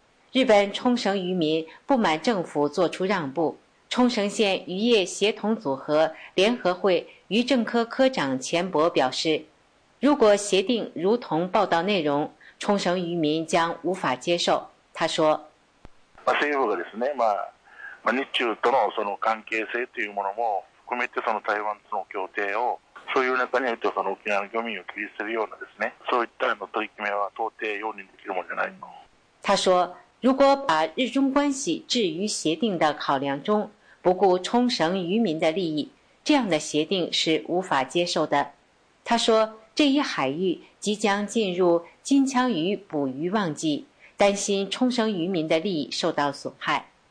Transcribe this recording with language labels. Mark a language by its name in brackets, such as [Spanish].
[Chinese] 日本冲绳渔民不满政府做出让步，冲绳县渔业协同组合联合会渔政科科长钱博表示，如果协定如同报道内容，冲绳渔民将无法接受。他说， [Japanese] 政府がですね、日中と の, その関係性というものも含めて、その台湾との協定をそういう中に入ると、その沖縄の漁民を切り捨てるようなですね、そういったあの取り決めは到底容認できるものじゃないの。 [Chinese] 他说，如果把日中关系置于协定的考量中，不顾冲绳渔民的利益，这样的协定是无法接受的。他说，这一海域即将进入金枪鱼捕鱼旺季，担心冲绳渔民的利益受到损害。